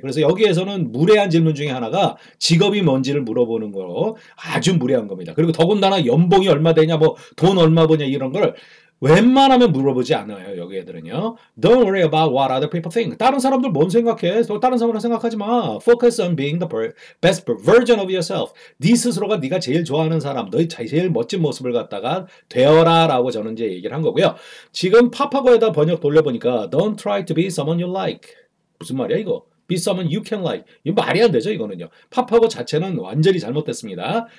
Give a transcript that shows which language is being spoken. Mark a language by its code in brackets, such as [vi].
[ko] 그래서 여기에서는 무례한 질문 중에 하나가 직업이 뭔지를 물어보는 거로 아주 무례한 겁니다. 그리고 더군다나 연봉이 얼마 되냐, 뭐돈 얼마 버냐 이런 걸 웬만하면 물어보지 않아요, 여기 애들은요. [en] Don't worry about what other people think. [ko] 다른 사람들 뭔 생각해? 또 다른 사람으로 생각하지 마. [en] Focus on being the best version of yourself. [ko] 네 스스로가 네가 제일 좋아하는 사람, 너의 제일 멋진 모습을 갖다가 되어라라고 저는 이제 얘기를 한 거고요. 지금 파파고에다 번역 돌려보니까 [en] Don't try to be someone you like. [ko] 무슨 말이야, 이거? [en] Be someone you can like. [ko] 이거 말이 안 되죠, 이거는요. 파파고 자체는 완전히 잘못됐습니다.